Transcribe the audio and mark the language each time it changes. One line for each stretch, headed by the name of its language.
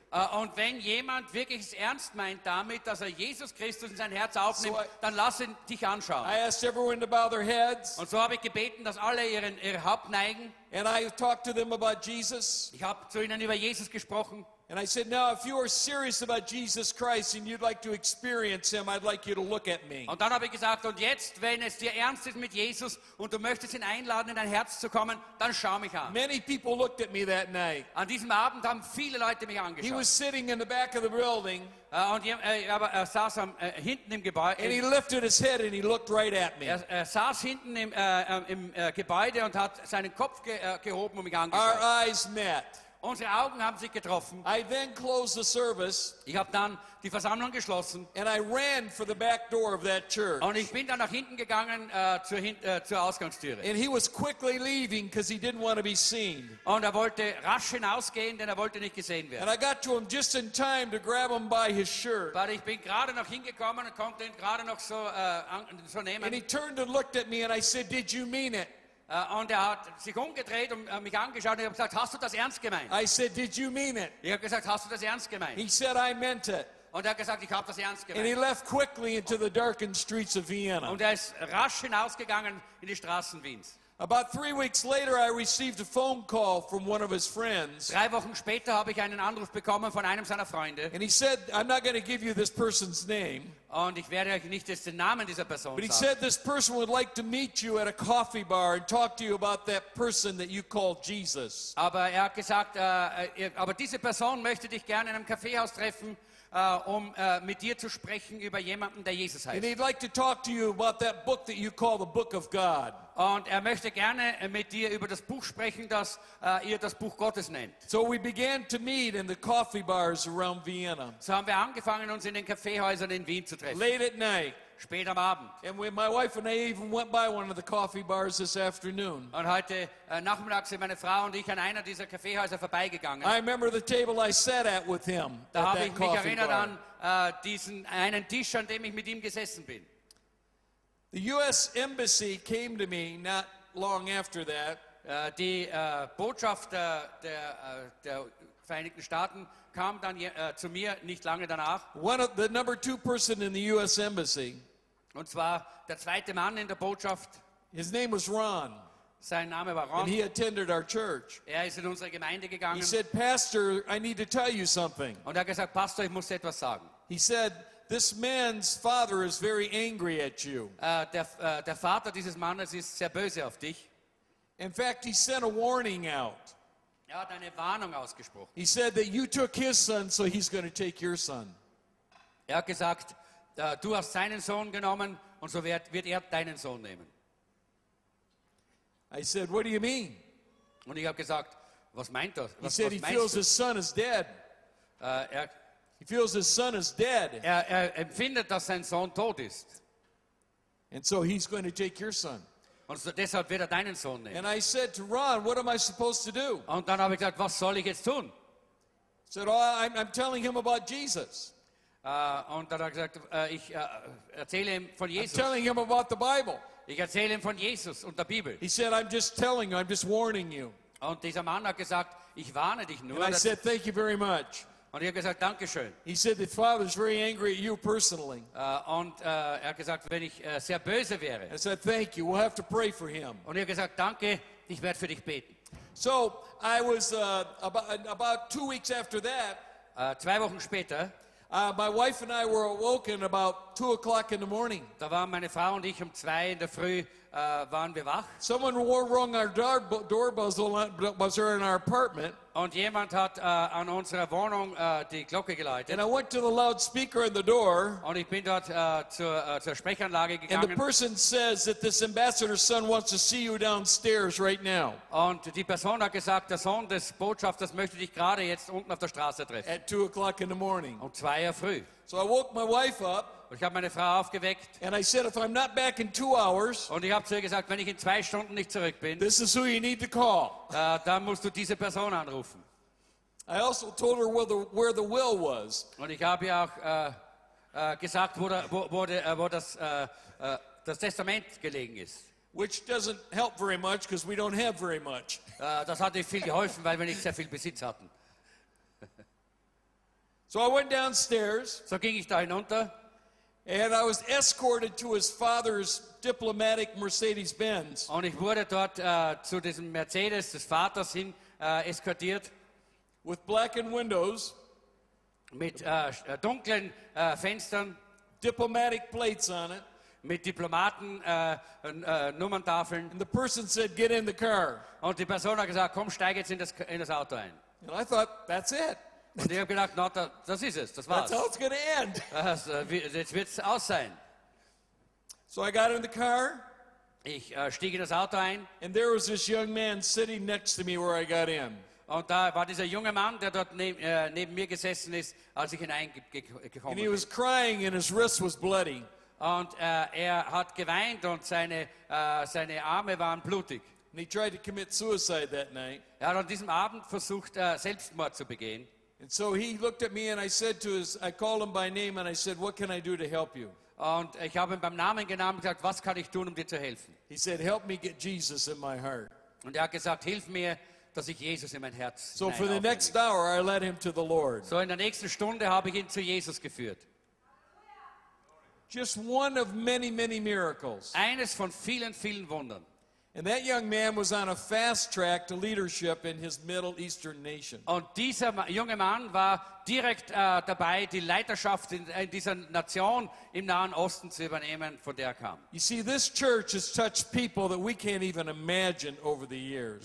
German: Und wenn jemand wirklich es ernst meint damit, dass er Jesus Christus in sein Herz aufnimmt, dann lass ihn dich anschauen.
English: I asked everyone to bow their heads.
German: Und so habe ich gebeten, dass alle ihr Haupt neigen.
English: And I talked to them about Jesus.
German: Ich habe zu ihnen über Jesus gesprochen.
English: And I said, now if you are serious about Jesus Christ and you'd like to experience him, I'd like you to look at me.
German: Und dann habe ich gesagt, und jetzt, wenn es dir ernst ist mit Jesus und du möchtest ihn einladen, in dein Herz zu kommen, dann schau mich an.
English: Many people looked at me that night.
German: An diesem Abend haben viele Leute mich angeschaut.
English: He was sitting in the back of the building.
German: Aber er saß hinten im Gebäude.
English: And he lifted his head and he looked right at me.
German: Er saß hinten im Gebäude und hat seinen Kopf gehoben und mich angeschaut.
English: Our eyes met.
German: Unsere Augen haben sich getroffen.
English: I then closed the service.
German: Ich habe dann die Versammlung geschlossen.
English: And I ran for the back door of that church.
German: Und ich bin dann nach hinten gegangen zur Ausgangstüre.
English: And he was quickly leaving because he didn't want to be seen.
German: Und er wollte rasch hinausgehen, denn er wollte nicht gesehen werden.
English: And I got to him just in time to grab him by his shirt. But
German: ich bin gerade noch hingekommen und konnte ihn gerade noch so nehmen.
English: And he turned and looked at me and I said, "Did you mean it?"
German: Und er hat sich umgedreht und mich angeschaut und ich habe gesagt, hast du das ernst gemeint?
English: I said, did you mean it?
German: Ich habe gesagt, hast du das ernst gemeint?
English: He said, I meant it.
German: Und er hat gesagt, ich habe das ernst gemeint.
English: And he left quickly into the darkened streets of Vienna.
German: Und er ist rasch hinausgegangen in die Straßen Wiens.
English: About 3 weeks later, I received a phone call from one of his friends.
German: 3 Wochen später habe ich einen Anruf bekommen von einem seiner Freunde.
English: And he said, I'm not going to give you this person's name.
German: Und ich werde euch nicht den Namen dieser Person sagen.
English: But he said this person would like to meet you at a coffee bar and talk to you about that person that you call Jesus.
German: Aber er hat gesagt, aber diese Person möchte dich gerne in einem Kaffeehaus treffen, mit dir zu sprechen über jemanden, der Jesus heißt.
English: And he'd like to talk to you about that book that you call the Book of God.
German: Und er möchte gerne mit dir über das Buch sprechen, das ihr das Buch Gottes nennt.
English: So we began to meet in the coffee bars around Vienna.
German: So haben wir angefangen, uns in den Kaffeehäusern in Wien zu treffen.
English: Late at night.
German: Spät am Abend.
English: And my wife and I even went by one of the coffee bars this afternoon.
German: Und heute Nachmittag sind meine Frau und ich an einer dieser Kaffeehäuser vorbeigegangen.
English: I remember the table I sat at with him
German: da
English: at
German: habe ich mich erinnert an diesen einen Tisch, an dem ich mit ihm gesessen bin.
English: The U.S. Embassy came to me not long after that.
German: Die Botschaft der Vereinigten Staaten kam dann zu mir nicht lange danach.
English: One of the number two person in the U.S. Embassy.
German: Und zwar der zweite Mann in der Botschaft.
English: His name was Ron.
German: Sein Name war Ron.
English: And he attended our church.
German: Er ist in unsere Gemeinde gegangen.
English: He said, Pastor, I need to tell you something.
German: Und er hat gesagt, Pastor, ich muss etwas sagen.
English: He said, this man's father is very angry at you.
German: Der Vater dieses Mannes ist sehr böse auf dich.
English: In fact, he sent a warning out.
German: Er hat eine Warnung ausgesprochen.
English: He said that you took his son, so he's going to take your son.
German: Er hat gesagt, du hast seinen Sohn genommen und so wird er deinen Sohn nehmen.
English: I said, what do you mean?
German: Und ich habe gesagt, was meint das?
English: He said, he feels his son is dead. He feels his son is dead.
German: Er empfindet, dass sein Sohn tot ist.
English: And so he's going to take your son.
German: Und so deshalb wird deinen Sohn nehmen.
English: And I said to Ron, what am I supposed to do?
German: Und dann habe ich gesagt, was soll ich jetzt tun?
English: He said, oh, I'm telling him about Jesus.
German: Und dann hat gesagt, ich erzähle ihm von Jesus.
English: I'm telling him about the Bible.
German: Ich erzähle ihm von Jesus und der Bibel.
English: He said, I'm just telling you, I'm just warning you.
German: Und dieser Mann hat gesagt, ich warne dich nur.
English: And I said, thank you very much.
German: Und ich habe gesagt, danke schön.
English: He said, the father is very angry at you personally.
German: Und er hat gesagt, wenn ich sehr böse wäre.
English: I said, thank you, we'll have to pray for him.
German: Und ich habe gesagt, danke, ich werde für dich beten.
English: So, I was about 2 weeks after that.
German: 2 Wochen später.
English: My wife and I were awoken about 2 o'clock in the morning.
German: Da waren meine Frau und ich 2 in der Früh waren wir wach.
English: Someone rang our doorbell in our apartment.
German: Und jemand hat an unserer Wohnung die Glocke geläutet.
English: And I went to the loudspeaker in the door.
German: Und ich bin dort zur Sprechanlage gegangen.
English: And the person says that this ambassador's son wants to see you downstairs right now.
German: Und die Person hat gesagt, der Sohn des Botschafters möchte dich gerade jetzt unten auf der Straße treffen.
English: At 2 o'clock in the morning.
German: Um 2 Uhr früh.
English: So I woke my wife up.
German: Ich habe meine Frau aufgeweckt.
English: And I said, if I'm not back in 2 hours,
German: und ich habe zu ihr gesagt, wenn ich in 2 Stunden nicht zurück bin,
English: this is who you need to call.
German: Dann musst du diese Person anrufen.
English: I also told her where the will was.
German: Und ich habe ihr auch gesagt, wo das Testament gelegen ist.
English: Which doesn't help very much because we don't have very much.
German: Das hat nicht viel geholfen, weil wir nicht sehr viel Besitz hatten.
English: So I went downstairs.
German: So ging ich da hinunter.
English: And I was escorted to his father's diplomatic Mercedes-Benz.
German: Und ich wurde dort zu diesem Mercedes des Vaters hin eskortiert.
English: With blackened windows.
German: Mit dunklen Fenstern.
English: Diplomatic plates on it.
German: Mit Diplomaten Nummerntafeln.
English: And the person said, get in the car.
German: Und die Person hat gesagt, komm, steig jetzt in das Auto ein.
English: And I thought, that's it.
German: Und ich habe gedacht, no, das ist es, das war's.
English: That's how it's gonna end.
German: Jetzt wird's aus sein.
English: So I got in the car.
German: Ich stieg in das Auto ein.
English: And there was this young man sitting next to me where I got in.
German: Und da war dieser junge Mann, der dort neben mir gesessen ist, als ich hineingekommen bin.
English: And he was crying and his wrist was bloody.
German: Und er hat geweint und seine Arme waren blutig.
English: And he tried to commit suicide that night.
German: Er hat an diesem Abend versucht, Selbstmord zu begehen.
English: And so he looked at me and I said to his, I called him by name and I said, what can I do to help you?
German: Und ich habe ihn beim Namen genannt und gesagt, was kann ich tun, um dir zu helfen?
English: He said, help me get Jesus in my heart.
German: Und er hat gesagt, hilf mir, dass ich Jesus in mein Herz hineinlege.
English: So for the next hour I led him to the Lord.
German: So in der nächsten Stunde habe ich ihn zu Jesus geführt.
English: Just one of many, many miracles.
German: Eines von vielen, vielen Wundern.
English: And that young man was on a fast track to leadership in his Middle Eastern nation.
German: Und dieser junge Mann war direkt dabei, die Leiterschaft in dieser Nation im Nahen Osten zu übernehmen, von der er kam.
English: You see, this church has touched people that we can't even imagine over the years.